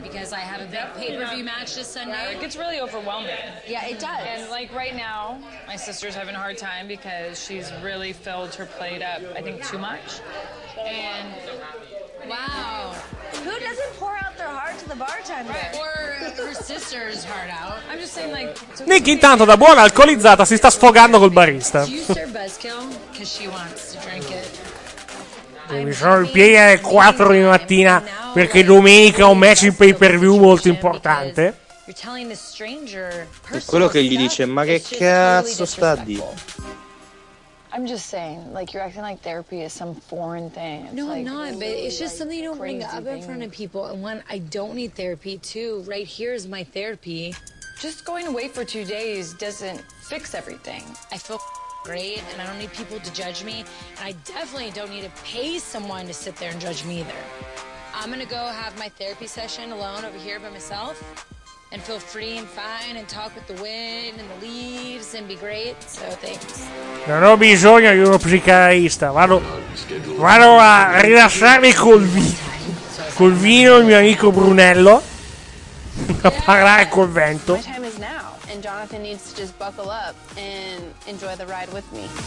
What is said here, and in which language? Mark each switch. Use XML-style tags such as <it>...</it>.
<en>because I have a big pay-per-view match this Sunday. It gets really overwhelming. Yeah, it does. And like right now, my sister's having a hard time because she's really filled her plate up, I think, too much. And wow. Who doesn't pour out their heart to the bartender? Right. Or her sister's heart out. I'm just saying like...</en> <it>So Nick, intanto, da buona alcolizzata, si sta sfogando col barista.</it> <en>Do you serve Buzzkill? Because she wants to drink it.</en> <it>Mi sono il piede alle 4 di mattina perché domenica ho un match in pay per view molto importante. E quello che gli dice, ma che cazzo sta a dire?</it> <en>I'm just saying, like you're acting like therapy is some foreign thing. It's no, like, I'm not, but it's just like something you don't bring up thing. In front of people. And one, I don't need therapy. Two, right here is my therapy. Just going away for 2 days doesn't fix everything. I feel great and I don't need people to judge me and I definitely don't need to pay someone to sit there and judge me either. I'm gonna go have my therapy session alone over here by myself and feel free and fine and talk with the wind and the leaves and be great, so thanks.</en> <it>Non ho bisogno di uno psicanalista, vado a rilassarmi col vino il mio amico Brunello a parlare col vento.</it> <en>And Jonathan needs to just buckle up and enjoy the ride with me.</en>